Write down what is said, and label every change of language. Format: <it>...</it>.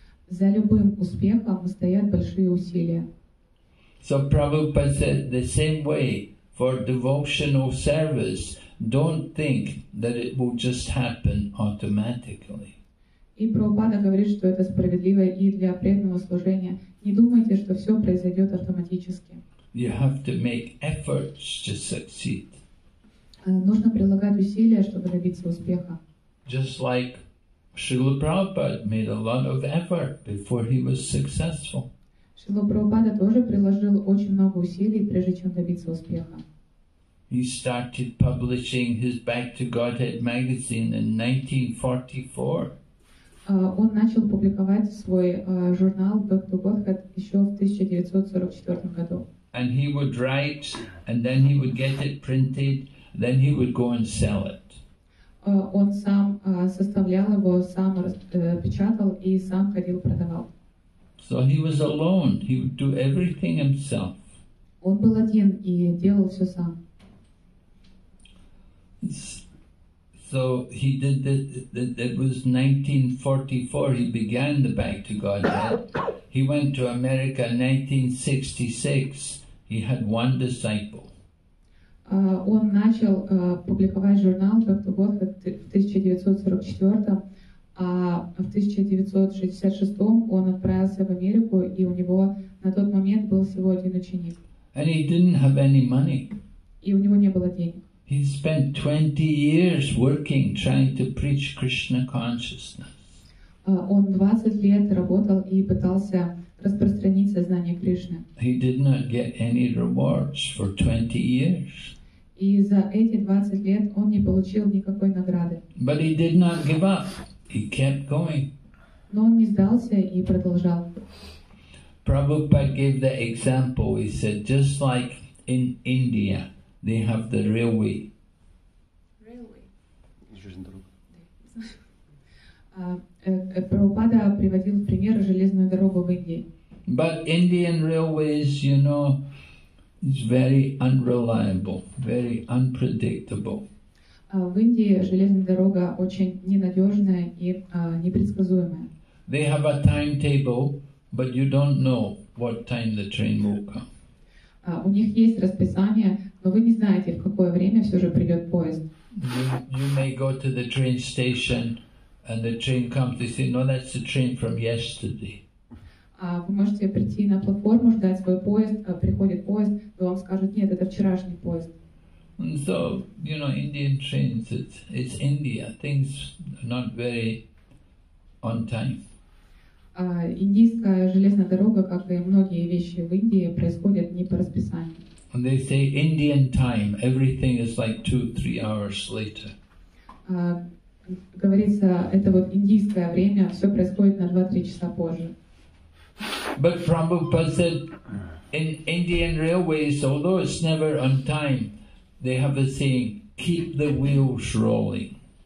<ru>За любым успехом стоят большие усилия.</ru> <en>So Prabhupada said the same way for devotional service, don't think that it will just happen automatically.</en> <ru>И Прабхупада говорит, что это справедливо и для преданного служения. Не думайте, что все произойдет автоматически.</ru> <en>You have to make efforts to succeed.</en> <ru>Нужно прилагать усилия, чтобы добиться успеха.</ru> <en>Just like Srila Prabhupada made a lot of effort before he was successful.</en> <ru>Шрила Прабхупада тоже приложил очень много усилий, прежде чем добиться успеха.</ru> <en>He started publishing his Back to Godhead magazine in 1944.</en> <ru>Он начал публиковать свой журнал Back to Godhead еще в 1944 году.</ru> <en>And he would write, and then he would get it printed, then he would go and sell it.</en> <ru>Он сам составлял его, сам печатал и сам ходил продавал.</ru> <en>So he was alone. He would do everything himself.</en> <ru>Он был один и делал все сам.</ru> <en>So he did the it was 1944. He began the Back to Godhead. He went to America in 1966. He had one disciple.</en> <ru>Он начал публиковать журнал Back to Godhead в 1944. А в 1966 он отправился в Америку, и у него на тот момент был всего один ученик.</ru> <en>And he didn't have any money.</en> <ru>И у него не было денег.</ru> <en>He spent 20 years working, trying to preach Krishna consciousness.</en> <ru>Он 20 лет работал и пытался распространить сознание Кришны.</ru> <en>He did not get any rewards for 20 years.</en> <ru>И за эти 20 лет он не получил никакой награды.</ru> <en>But he did not give up. He kept going.</en> <ru>Но он не сдался и продолжал.</ru> <en>Prabhupada gave the example. He said, just like in India, they have the railway.</en> <ru>Прабхупада приводил пример железную дорогу в Индии.</ru> <en>But Indian railways, you know, is very unreliable, very unpredictable.</en> <ru>В Индии железная дорога очень ненадежная и непредсказуемая.</ru> <en>They have a timetable, but you don't know what time the train will come.</en> <ru>У них есть расписание, но вы не знаете, в какое время все же придет поезд.</ru> <en>You may go to the train station and the train comes, they say, no, that's the train from yesterday.</en> <ru>Вы можете прийти на платформу, ждать свой поезд, приходит поезд, но вам скажут, нет, это вчерашний поезд.</ru> <en>And so, you know, Indian trains, it's India, things are not very on time.</en> <ru>Индийская железная дорога, как и многие вещи в Индии, происходят не по расписанию.</ru> <en>And they say Indian time, everything is like 2-3 hours later.</en> <ru>Говорится, это вот индийское время, все происходит на 2-3 часа позже.</ru> <en>But Prabhupada said, in Indian railways, although it's never on time, they have a saying, keep the wheels rolling.</en>